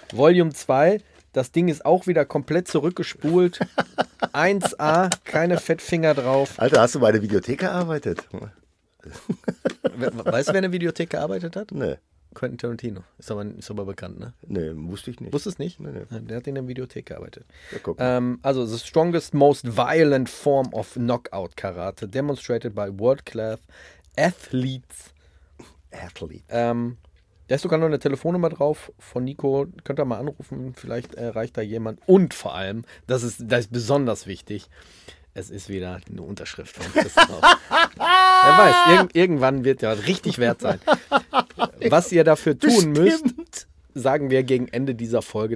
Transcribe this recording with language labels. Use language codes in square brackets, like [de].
[de] Volume 2, das Ding ist auch wieder komplett zurückgespult. 1A, keine Fettfinger drauf. Alter, hast du bei der Videothek gearbeitet? Weißt du, wer in der Videothek gearbeitet hat? Nee. Quentin Tarantino. Ist aber bekannt, ne? Nee, wusste ich nicht. Wusstest du nicht? Nee, nee. Der hat in der Videothek gearbeitet. Ja, guck mal. [en] Also, the strongest, most violent form of knockout Karate, demonstrated by world-class athletes. [de] Da ist sogar noch eine Telefonnummer drauf von Nico. Könnt ihr mal anrufen, vielleicht erreicht da jemand. Und vor allem, das ist besonders wichtig, es ist wieder eine Unterschrift von Chris drauf. Wer weiß, irgendwann wird der richtig wert sein. Was ihr dafür tun müsst, sagen wir gegen Ende dieser Folge.